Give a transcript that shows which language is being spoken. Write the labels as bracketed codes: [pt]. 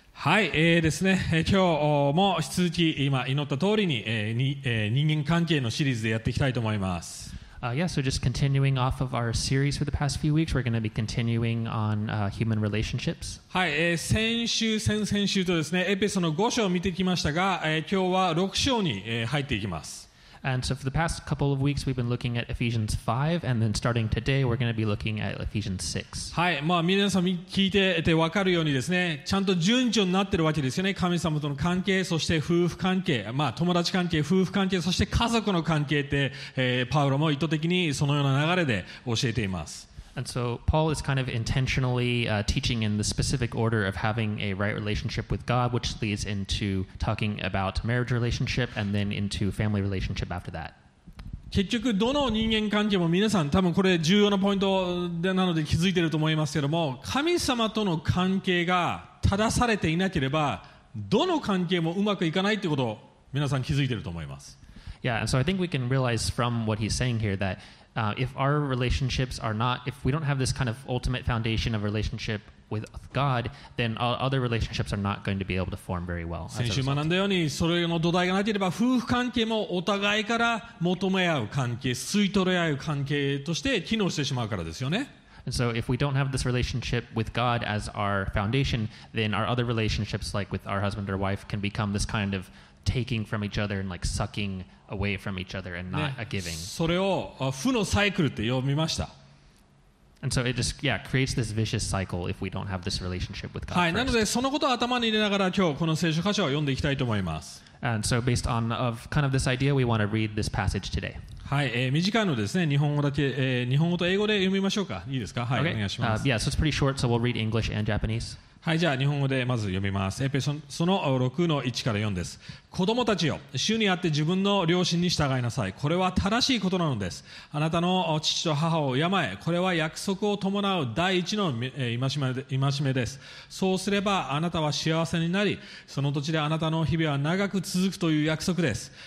[ja] はい、ですね、今日も引き続き今祈った通りに、人間関係のシリーズでやっていきたいと思います。 [en] Yeah, so just continuing off of our series for the past few weeks, we're going to be continuing on human relationships. [ja] はい、先週、先々週とですね、エペソの5章を見てきましたが、今日は6章に、入っていきます。 [en] And so for the past couple of weeks, we've been looking at Ephesians 5, and then starting today, we're going to be looking at Ephesians 6. [ja] はい、まあ皆さん聞いてて分かるようにですね、ちゃんと順序になってるわけですよね。神様との関係、そして夫婦関係、まあ友達関係、夫婦関係、そして家族の関係って、パウロも意図的にそのような流れで教えています。 [en] And so Paul is kind of intentionally teaching in the specific order of having a right relationship with God, which leads into talking about marriage relationship and then into family relationship after that. [ja] 結局どの人間関係も皆さん多分これ重要なポイントなので気づいていると思いますけども、神様との関係が正されていなければどの関係もうまくいかないということを皆さん気づいていると思います。 [en] Yeah, and so I think we can realize from what he's saying here thatif our relationships are not, if we don't have this kind of ultimate foundation of relationship with God, then all other relationships are not going to be able to form very well. [ja] 先週学んだように、それの土台がなければ、夫婦関係もお互いから求め合う関係、吸い取り合う関係として機能してしまうからですよね。 [en] And so if we don't have this relationship with God as our foundation, then our other relationships, like with our husband or wife, can become this kind of taking from each other and like sucking away from each other and not a giving. [ja] それを負のサイクルって呼びました。 [en] And so it just, yeah, creates this vicious cycle if we don't have this relationship with God. [ja] はい、なのでそのことを頭に入れながら今日この聖書箇所を読んでいきたいと思います。 [en] And so based on of kind of this idea, we want to read this passage today. [ja] はい、短いのですね、日本語だけ、日本語と英語で読みましょうか。いいですか？はい、 [en] okay. [ja] お願いします。 [en] Yeah, so it's pretty short, so we'll read English and Japanese. [ja] はい、じゃあ日本語でまず読みます。エペその6の1から4です。子供たちよ、主にあって自分の両親に従いなさい。これは正しいことなのです。あなたの父と母を敬え。これは約束を伴う第一の戒めです。そうすればあなたは幸せになり、その土地であなたの日々は長く続くという約束です。